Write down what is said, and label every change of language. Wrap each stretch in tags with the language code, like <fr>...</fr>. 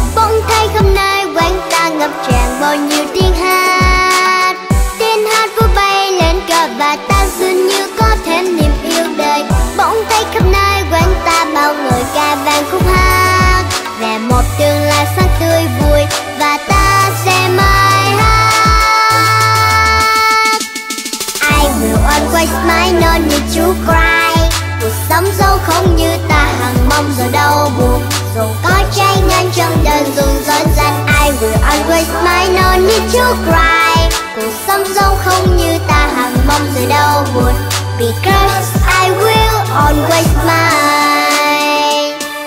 <vi>Bỗng thấy hôm nay quán ta ngập tràn bao nhiêu tiếng hát, tiếng hát vừa bay lên cờ và ta dường như có thêm niềm yêu đời. Bỗng thấy hôm nay quán ta bao người ca vang khúc hát về một tương lai sáng tươi vui và ta sẽ mãi hát.</vi> <en>I will always smile, no need to cry.</en> <vi>Cuộc sống dẫu không như ta hằng mong rồi đau buồn, dù có trái ngang trong đời dù dối gian.</vi> <en>I will always smile, no need to cry.</en> <vi>Cuộc sống dẫu không như ta hằng mong rồi đau buồn,</vi> <en>because I will always smile.</en>